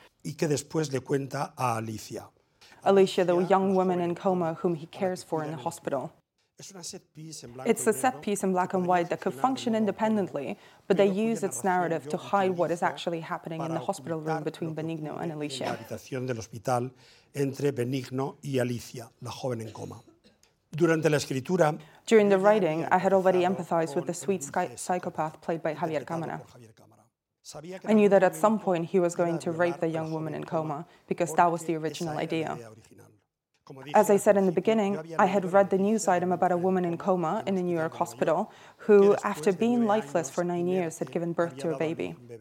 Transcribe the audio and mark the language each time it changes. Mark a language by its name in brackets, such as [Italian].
[Spanish] Y que después le cuenta a Alicia. [English] Alicia, the young woman in coma whom he cares for in the hospital. It's a set piece in black and white that could function independently, but they use its narrative to hide what is actually happening in the hospital room between Benigno and Alicia. [Spanish] La habitación del hospital entre Benigno y Alicia, la joven en coma. Durante la escritura, [English] during the writing, I had already empathized with the sweet psychopath played by Javier Cámara. I knew that at some point he was going to rape the young woman in coma, because that was the original idea. As I said in the beginning, I had read the news item about a woman in coma in a New York hospital who, after being lifeless for 9 years, had given birth to a baby.